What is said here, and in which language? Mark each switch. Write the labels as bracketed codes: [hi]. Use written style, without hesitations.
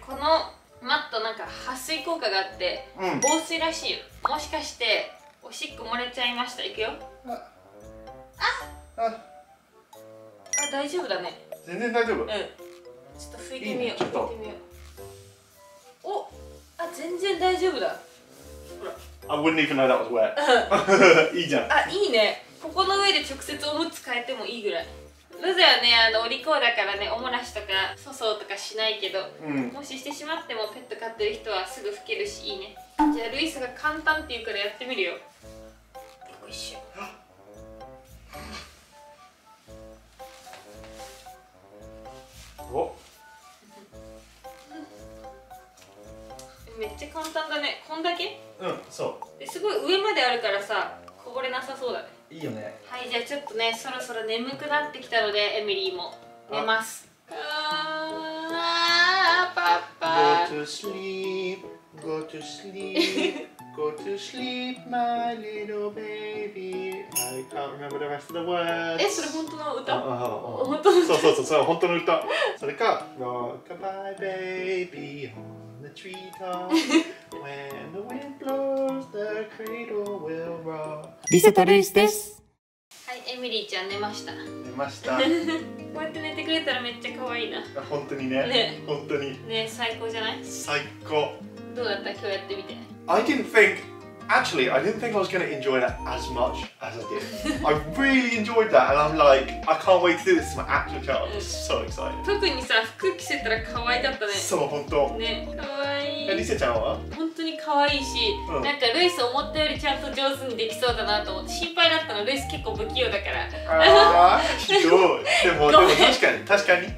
[ja] このマットなんか撥水効果があって、うん、防水らしいよ。もしかしておしっこ漏れちゃいました。いくよ。あ、大丈夫だね。全然大丈夫。うん、ちょっと拭いてみよう。いいね、拭いてみよう。お、あ、全然大丈夫だ。ほら。 [en] I wouldn't even know that was wet. [ja] いいじゃん。あ、いいね。ここの上で直接おむつ変えてもいいぐらい。ムズはね、あのお利口だからね、おもらしとか粗相とかしないけど、うん、もししてしまってもペット飼ってる人はすぐ拭けるし、いいね。じゃあルイスが簡単って言うからやってみるよ。よいしょ。お、うん、めっちゃ簡単だね、こんだけ。うん、そう。すごい上まであるからさ、こぼれなさそうだね。いいよね。はい、じゃあちょっとね、そろそろ眠くなってきたので、エミリーも寝ます。あ、パパ [en] Go to sleep Go to sleep, go to sleep, my little baby. I can't remember the rest of the words. [ja] え、それ本当の歌？本当の歌？そうそうそう、それ本当の歌。それか、 [en] Rock a bye baby on the tree top. When the wind blows, the cradle will rock. [ja] リセタルイスです。はい、エミリーちゃん寝ました。寝ました。こうやって寝てくれたらめっちゃ可愛いな。本当にね。ね。本当に。ね、最高じゃない？最高。どうだった今日やってみて。 [en] I didn't think, actually, I didn't think I was going to enjoy that as much as I did. I really enjoyed that and I'm like, I can't wait to do this to my actual child. I'm so excited. [ja] 特にさ、服着せたら可愛かったね。そう、本当。ね、可愛い。え、リセちゃんは？本当に可愛いし、なんかルイス思ったよりちゃんと上手にできそうだなと思って心配だったの。ルイス結構不器用だから。ああ、ひどい。でも確かに、確かに。